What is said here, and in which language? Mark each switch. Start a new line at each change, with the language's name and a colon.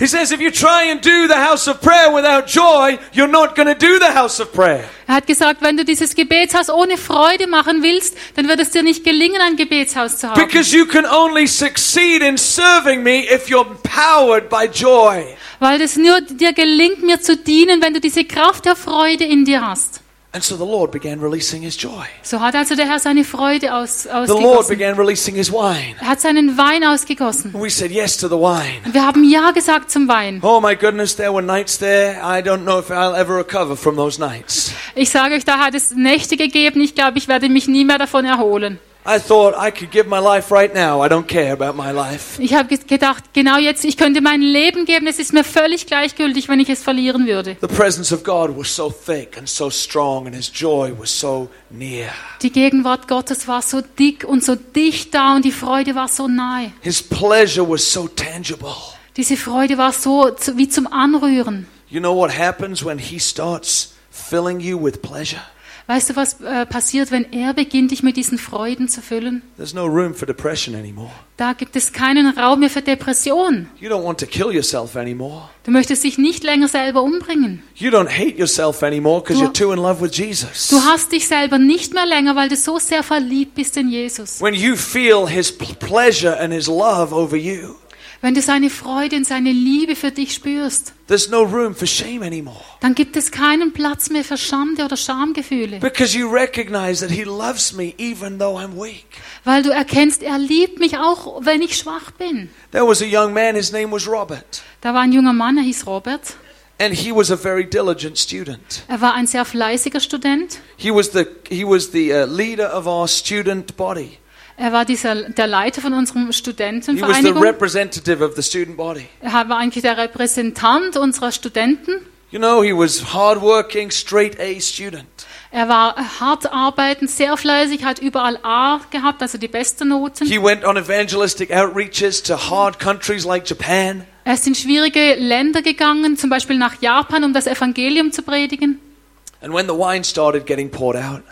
English: He says, if you try and do the house of prayer without joy, you're not going to do the house of prayer.
German: Er hat gesagt, wenn du dieses Gebetshaus ohne Freude machen willst, dann wird es dir nicht gelingen, ein Gebetshaus zu haben.
English: Because you can only succeed in serving me if you're empowered by joy.
German: Weil es nur dir gelingt, mir zu dienen, wenn du diese Kraft der Freude in dir hast.
English: And so the Lord began releasing his joy.
German: So hat also der Herr seine Freude ausgegossen.
English: The Lord began releasing his wine.
German: Er hat seinen Wein ausgegossen.
English: We said yes to the wine.
German: Wir haben ja gesagt zum Wein.
English: Oh my goodness, there were nights there. I don't know if I'll ever recover from those nights.
German: Ich sage euch, da hat es Nächte gegeben. Ich glaube, ich werde mich nie mehr davon erholen.
English: I thought I could give my life right now. I don't care about my life.
German: Ich habe gedacht, genau jetzt, ich könnte mein Leben geben. Es ist mir völlig gleichgültig, wenn ich es verlieren würde.
English: The presence of God was so thick and so strong, and His joy was so near.
German: Die Gegenwart Gottes war so dick und so dicht da, und die Freude war so nahe.
English: His pleasure was so tangible.
German: Diese Freude war so wie zum Anrühren.
English: You know what happens when He starts filling you with pleasure?
German: Weißt du, was passiert, wenn er beginnt, dich mit diesen Freuden zu füllen?
English: There's no room for depression anymore.
German: Da gibt es keinen Raum mehr für Depression.
English: You don't want to kill yourself anymore.
German: Du möchtest dich nicht länger selber umbringen.
English: You don't hate yourself anymore, because you're too in love with Jesus.
German: Du hast dich selber nicht mehr länger, weil du so sehr verliebt bist in Jesus.
English: When you feel his pleasure and his love over you.
German: Wenn du seine Freude und seine Liebe für dich spürst,
English: there's no room for shame anymore.
German: Dann gibt es keinen Platz mehr für Schande oder Schamgefühle.
English: Because you recognize that he loves me even though I'm weak.
German: Weil du erkennst, er liebt mich auch, wenn ich schwach bin.
English: There was a young man, his name was Robert.
German: Da war ein junger Mann, er hieß Robert.
English: And he was a very diligent student.
German: Er war ein sehr fleißiger Student.
English: He was the leader of our student body.
German: Er war der Leiter von unserem Studentenvereinigung.
English: He was the representative of the student body.
German: Er war eigentlich der Repräsentant unserer Studenten.
English: You know, he was hardworking, straight A student.
German: Er war hart arbeitend, sehr fleißig, hat überall A gehabt, also die besten Noten.
English: He went on evangelistic outreaches to hard countries like Japan.
German: Er ist in schwierige Länder gegangen, zum Beispiel nach Japan, um das Evangelium zu predigen.
English: And when the wine started getting poured out,